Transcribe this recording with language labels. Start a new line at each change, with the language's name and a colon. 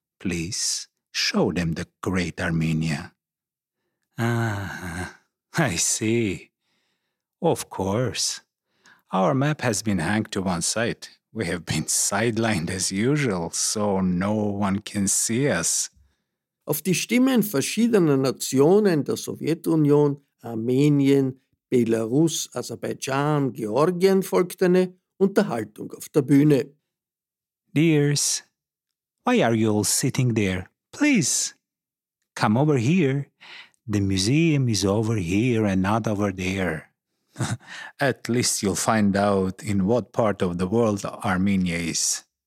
English: Please, show them the great Armenia. Ah, I see. Of course. Our map has been hung to one side. We have been sidelined as usual, so no one can see us.
German: Auf die Stimmen verschiedener Nationen der Sowjetunion, Armenien, Belarus, Aserbaidschan, Georgien folgt eine Unterhaltung auf der Bühne.
English: Dears, why are you all sitting there? Please, come over here. The museum is over here and not over there. At least you'll find out in what part of the world Armenia is.